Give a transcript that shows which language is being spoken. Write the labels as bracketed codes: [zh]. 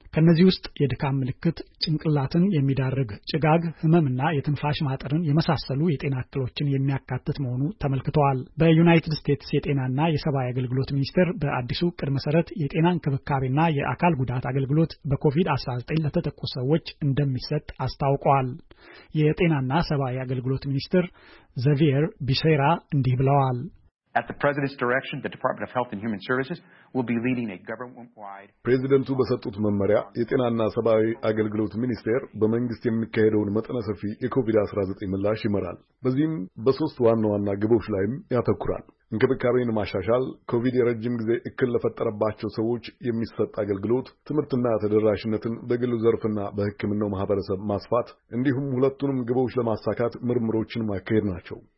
[am] ከነዚህ ውስጥ የድካም ምልክት፣ ጭንቅላትን የሚዳርግ ጭጋግ፣ ህመምና የትንፋሽ ማጠርን የመሳሰሉ የጤና እክሎችን የሚያካትት መሆኑ ተመልክቷል። በዩናይትድ ስቴትስ የጤናና የሰብአዊ አገልግሎት ሚኒስቴር በአዲሱ እቅድ መሰረት የጤና እንክብካቤና የአካል ጉዳት አገልግሎት በኮቪድ-19 ለተጠቁ ሰዎች እንደሚሰጥ አስታውቋል። የጤናና ሰብአዊ አገልግሎት ሚኒስትር ዘቪየር ቢሴራ እንዲህ ብለዋል። [en] At the President's direction, the Department of Health and Human Services will be leading a government-wide [am] ፕሬዚደንቱ በሰጡት መመሪያ የጤናና ሰብአዊ አገልግሎት ሚኒስቴር በመንግስት የሚካሄደውን መጠነ ሰፊ የኮቪድ-19 ምላሽ ይመራል። በዚህም በሶስት ዋና ዋና ግቦች ላይ ያተኩራል። እንክብካቤን ማሻሻል፣ ኮቪድ የረጅም ጊዜ እክል ለፈጠረባቸው ሰዎች የሚሰጥ አገልግሎት፣ ትምህርትና ተደራሽነትን በግሉ ዘርፍና በሕክምናው ማህበረሰብ ማስፋት፣ እንዲሁም ሁለቱንም ግቦች ለማሳካት ምርምሮችን ማካሄድ ናቸው።